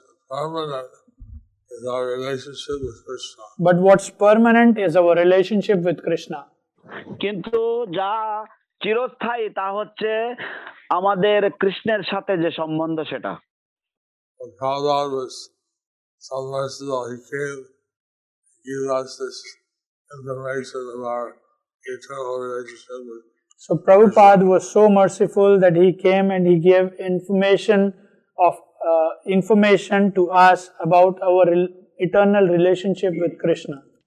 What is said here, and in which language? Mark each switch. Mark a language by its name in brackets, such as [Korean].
[English] Is our relationship with Krishna. But what's permanent is our relationship with Krishna. [Bangla] কিন্তু যা চিরস্থায়ী তা হচ্ছে আমাদের কৃষ্ণের সাথে যে সম্বন্ধ সেটা। [English] Prabhupada was so merciful, he came to give us this information of our eternal relationship with Krishna. So Prabhupada was so merciful that he came and he gave information of information to us about our eternal relationship with Krishna.